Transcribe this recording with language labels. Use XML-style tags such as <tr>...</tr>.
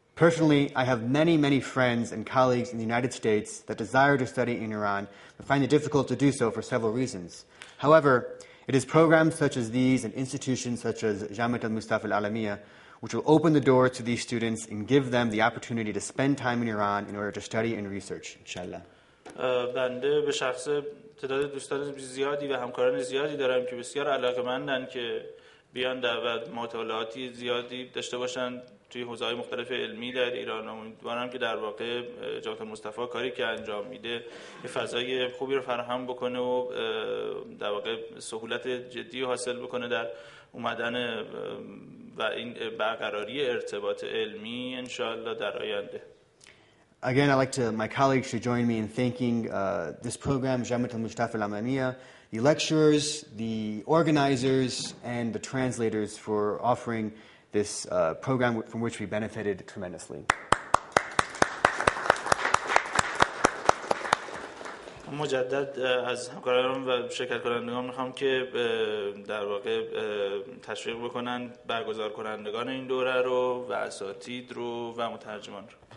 <en>Personally, I have many, many friends and colleagues in the United States that desire to study in Iran, but find it difficult to do so for several reasons. However, it is programs such as these and institutions such as Jamaat al-Mustafa al-Alamiya which will open the door to these students and give them the opportunity to spend time in Iran in order to study and research, inshallah.</en> <fa>بنده به شخص تعداد دوستان زیادی و همکاران زیادی دارم که بسیار علاقمندن که بیان دعوت مطالعاتی زیادی داشته باشند توی حوزه‌های مختلف علمی در ایران. امیدوارم که در واقع جامعه مصطفی کاری که انجام میده یه فضای خوبی رو فراهم بکنه و در واقع سهولت جدی حاصل بکنه در اومدن و این برقراری ارتباط علمی انشاءالله در آینده.</fa> <en>Again, I'd like to my colleagues to join me in thanking this program, Jamaat al-Mustafa al-Alamiya, the lecturers, the organizers, and the translators for offering this program from which we benefited tremendously.</en> <fa>مجدد از همکاران و شرکت کنندگان میخوام که در واقع تشویق بکنن برگزار کنندگان این دوره رو و اساتید رو و مترجمان رو.</fa>